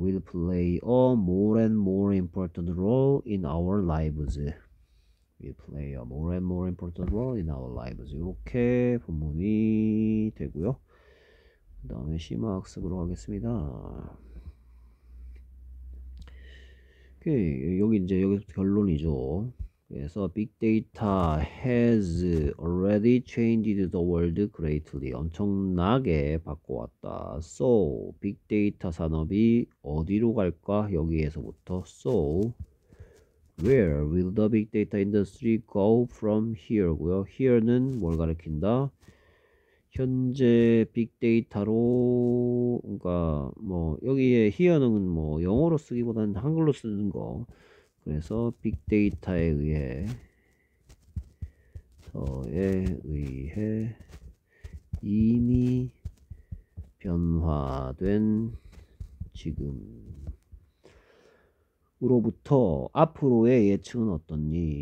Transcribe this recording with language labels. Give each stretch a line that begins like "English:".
English: will play a more and more important role in our lives. will play a more and more important role in our lives.
Korean: 이렇게 본문이 되고요. 그다음에 심화 학습으로 가겠습니다. 오케이. 여기 이제 여기서 결론이죠. 그래서 빅데이터
English: has already changed the world greatly.
Korean: 엄청나게 바꿔왔다. So, 빅데이터 산업이 어디로 갈까? 여기에서부터. So,
English: Where will the big data industry go from here고요.
Korean: Here는 뭘 가리킨다? 현재 빅데이터로, 그러니까 뭐 여기에 here는 뭐 영어로 쓰기보다는 한글로 쓰는 거. 그래서 빅데이터에 의해 더에 의해 이미 변화된 지금으로부터 앞으로의 예측은 어떻니?